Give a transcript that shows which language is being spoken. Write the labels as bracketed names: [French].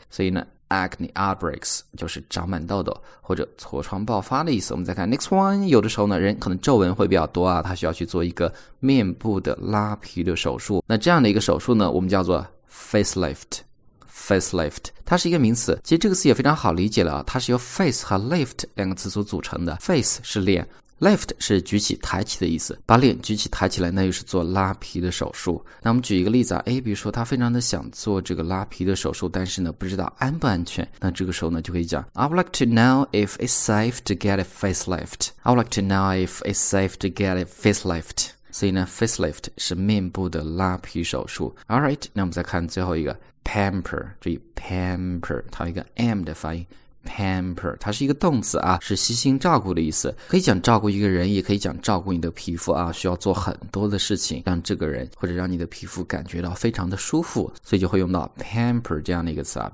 [Chinese] 所以呢Acne outbreaks 就是长满痘痘或者痤疮爆发的意思。我们再看 [English] next one， [Chinese] 有的时候呢人可能皱纹会比较多啊，他需要去做一个面部的拉皮的手术，那这样的一个手术呢我们叫做 facelift， facelift 它是一个名词，其实这个词也非常好理解了，它是由 face 和 lift 两个词所组成的。 face 是脸， lift 是举起抬起的意思，把脸举起抬起来，那就是做拉皮的手术。那我们举一个例子啊，比如说他非常的想做这个拉皮的手术，但是呢不知道安不安全，那这个时候呢就可以讲 [English] I would like to know if it's safe to get a facelift. I would like to know if it's safe to get a facelift. [Chinese] 所以呢 facelift 是面部的拉皮手术。 Alright， 那我们再看最后一个 pamper， 注意 pamper 它有一个 m 的发音，Pamper 它是一个动词啊，是悉心照顾的意思，可以讲照顾一个人，也可以讲照顾你的皮肤啊，需要做很多的事情让这个人或者让你的皮肤感觉到非常的舒服，所以就会用到 pamper 这样的一个词啊。